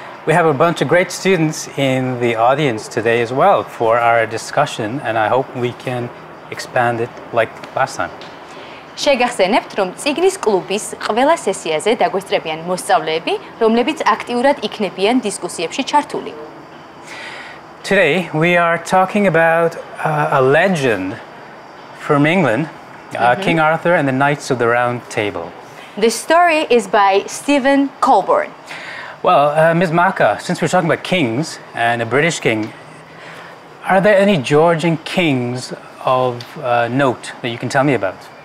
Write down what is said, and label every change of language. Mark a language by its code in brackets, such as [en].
[en] We have a bunch of great students in the audience today as well for our discussion, and I hope we can expand it like last time. [ka] შეგახსენებთ, რომ წიგნის კლუბის ყველა სესიაზე დაგვესწრებიან მოსწავლეები, რომლებიც აქტიურად იქნებიან დისკუსიებში ჩართული. [en] Today we are talking about a legend from England, King Arthur and the Knights of the Round Table. The story is by Stephen Colburn. Well, Ms. Maka, since we're talking about kings and a British king, are there any Georgian kings of note that you can tell me about?